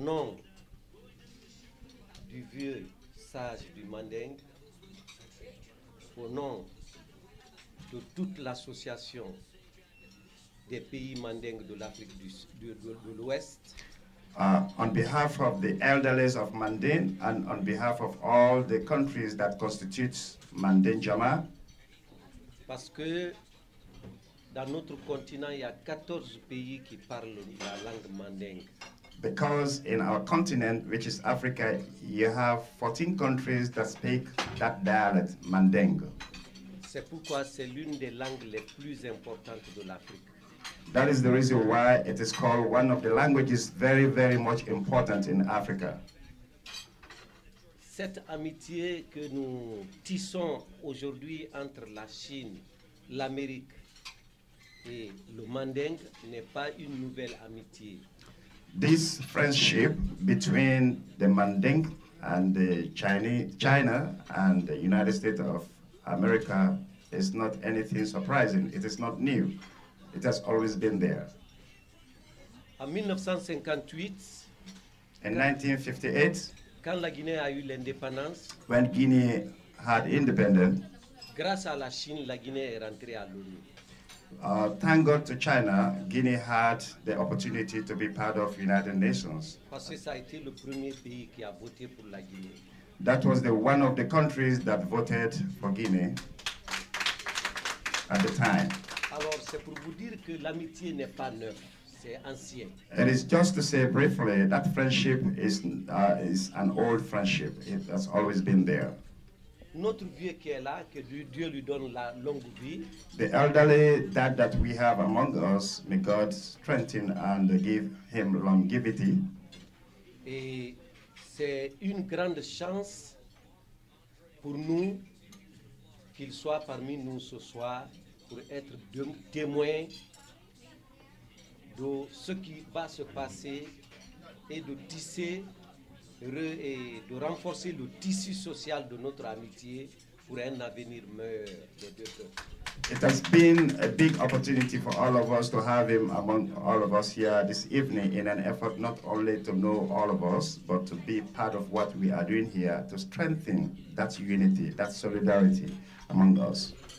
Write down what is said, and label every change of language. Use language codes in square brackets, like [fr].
[fr] non du vieux sage du Mandingue, au nom de toute l'association des pays Mandingue de l'Afrique de l'Ouest. [en] On behalf of the elders of Mandingue and on behalf of all the countries that constitute Mandingue-Jama. [fr] Parce que dans notre continent, il y a 14 pays qui parlent la langue Mandingue. [en] Because in our continent, which is Africa, you have 14 countries that speak that dialect, Mandingue. [fr] C'est pourquoi c'est l'une des langues les plus importantes de l'Afrique. [en] That is the reason why it is called one of the languages very, very much important in Africa. [fr] Cette amitié que nous tissons aujourd'hui entre la Chine, l'Amérique et le Mandingue n'est pas une nouvelle amitié. [en] This friendship between the Mandingue and the China and the United States of America is not anything surprising. It is not new. It has always been there. [fr] En 1958, quand la Guinée a eu l'indépendance, [en] when Guinea had independence, [fr] grâce à la Chine, la Guinée est rentrée à l'ONU. [en] Thank God to China, Guinea had the opportunity to be part of United Nations. [fr] Parce que ça a été le premier pays qui a voté pour la Guinée. [en] That was the one of the countries that voted for Guinea at the time. [fr] Alors, c'est pour vous dire que l'amitié n'est pas neuf, c'est ancien. [en] It is just to say briefly that friendship is an old friendship. It has always been there. [fr] Notre vieux qui est là, que Dieu lui donne la longue vie. [en] The elderly that we have among us, may God strengthen and give him longevity. [fr] Et c'est une grande chance pour nous qu'il soit parmi nous ce soir pour être témoin de ce qui va se passer et de tisser et de renforcer le tissu social de notre amitié pour un avenir meilleur des deux peuples. [en] It has been a big opportunity for all of us to have him among all of us here this evening in an effort not only to know all of us, but to be part of what we are doing here to strengthen that unity, that solidarity among us.